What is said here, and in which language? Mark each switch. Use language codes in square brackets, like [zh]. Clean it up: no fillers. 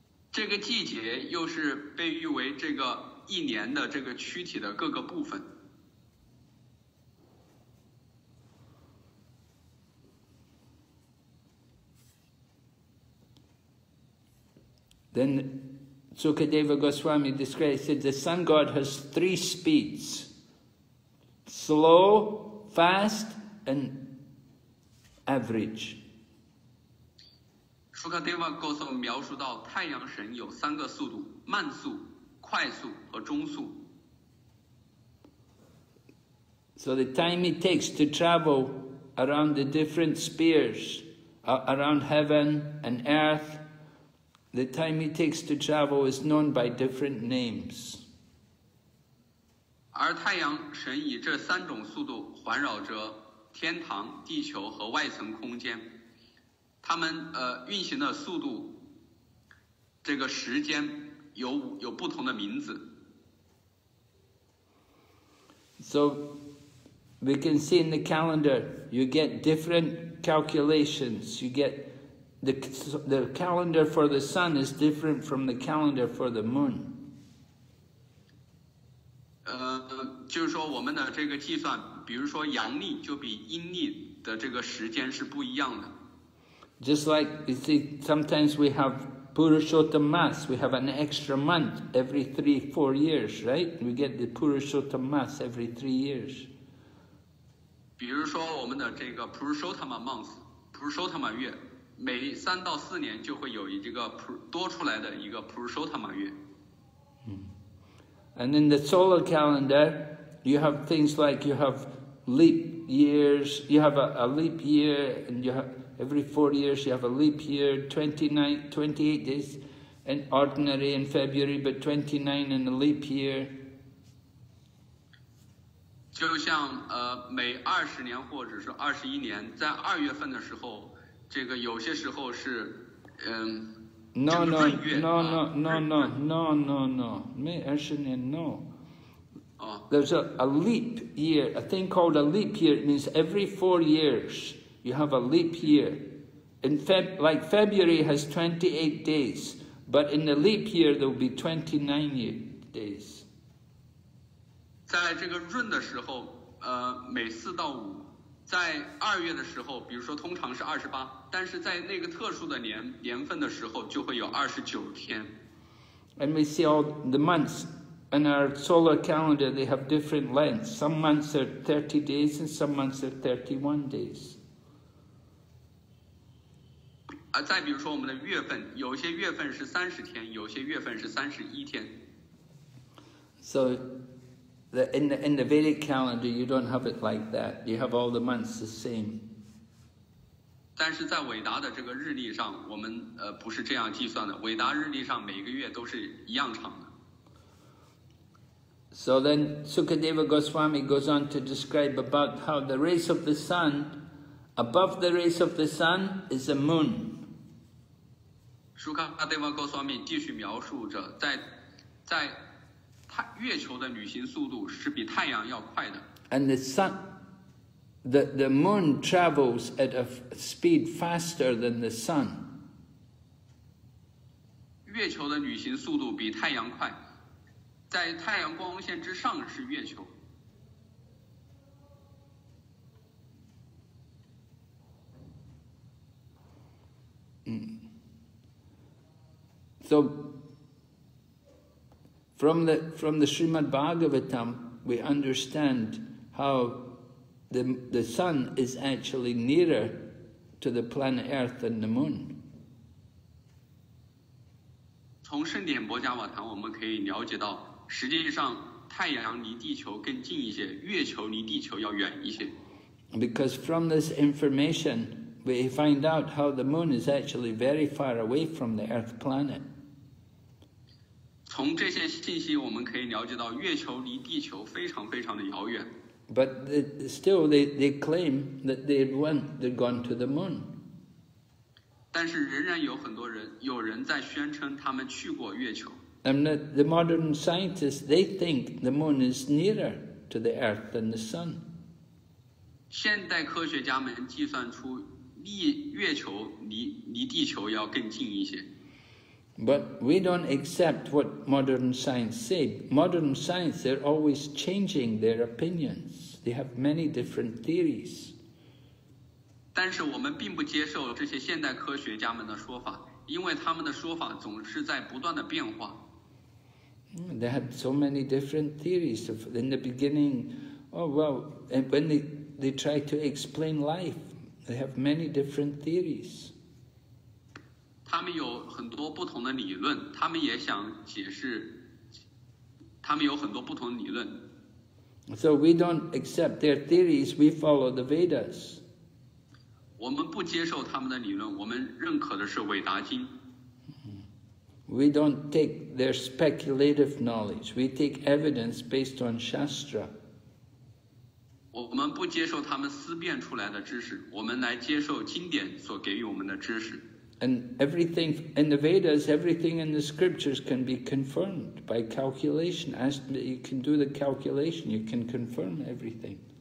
[zh] 这个季节又是被誉为这个一年的这个躯体的各个部分。 [en] Then Sukadeva Goswami described, he said, the sun god has three speeds, slow, fast, and average. [zh] Sukadeva Goswami 描述到太阳神有三个速度，慢速、快速和中速。 [en] So the time it takes to travel around the different spheres, around heaven and earth,The time it takes to travel is known by different names. [zh] 而太阳神以这三种速度环绕着天堂、地球和外层空间，它们运行的速度，这个时间有不同的名字。 [en] So we can see in the calendar, you get different calculations. You get. The calendar for the sun is different from the calendar for the moon. [zh] 就是说我们的这个计算，比如说阳历就比阴历的这个时间是不一样的。 [en] Just like, you see, sometimes we have Purushottam Mass, we have an extra month every 3-4 years, right? We get the Purushottam Mass every 3 years. [zh] 比如说我们的这个 [en] Purushottam Month, [zh] Purushottam 月每三到四年就会有一个多出来的一个 Purushottama 月。 [en] And in the solar calendar, you have things like you have leap years, you have a leap year, and you have every 4 years you have a leap year, 28 days in ordinary in February, but 29 in a leap year. [zh] 就像每20年或者是21年，在二月份的时候。这个有些时候是 [en] There's a leap year, a thing called a leap year. It means every 4 years, you have a leap year. In February has 28 days, but in the leap year, there will be 29 days. [zh] 在这个闰的时候，每四到五，在二月的时候，比如说通常是28。但是在那个特殊的年份的时候，就会有29天。 [en] And we see all the months in our solar calendar, they have different lengths. Some months are 30 days and some months are 31 days. [zh] 再比如说我们的月份，有些月份是30天，有些月份是31天。 [en] So in the Vedic calendar, you don't have it like that. You have all the months the same. [zh] 但是在伟达的这个日历上，我们不是这样计算的。伟达日历上每个月都是一样长的。 [en] So then Sukadeva Goswami goes on to describe about how the rays of the sun, above the rays of the sun is a moon. [zh] Sukadeva Goswami 继续描述着，在月球的旅行速度是比太阳要快的。 [en] And the sun. The moon travels at a speed faster than the sun. [zh] 月球的旅行速度比太阳快，在太阳光线之上是月球。 [en] So from the Srimad Bhagavatam, we understand how. The sun is actually nearer to the planet Earth than the moon. [zh] 从圣典波迦瓦坛我们可以了解到，实际上太阳离地球更近一些，月球离地球要远一些。 [en] Because from this information, we find out how the moon is actually very far away from the Earth planet. [zh] 从这些信息我们可以了解到，月球离地球非常非常的遥远。 [en] But still, they claim that they'd gone to the moon. [zh] 但是仍然有很多人，有人在宣称他们去过月球。 [en] And the modern scientists, they think the moon is nearer to the earth than the sun. [zh] 现代科学家们计算出月球离地球要更近一些。 [en] But we don't accept what modern science say. Modern science, they're always changing their opinions. They have many different theories. [zh] 但是我们并不接受这些现代科学家们的说法，因为他们的说法总是在不断的变化。 [en] They had so many different theories in the beginning. Oh well, and when they try to explain life, they have many different theories. [zh] 他们有很多不同的理论，他们也想解释。他们有很多不同的理论。 [en] So we don't accept their theories. We follow the Vedas. [zh] 我们不接受他们的理论，我们认可的是《韦达经》。 [en] We don't take their speculative knowledge. We take evidence based on Shastra. [zh] 我们不接受他们思辨出来的知识，我们来接受经典所给予我们的知识。 [en] And everything in the Vedas, everything in the scriptures can be confirmed by calculation. As you can do the calculation, you can confirm everything.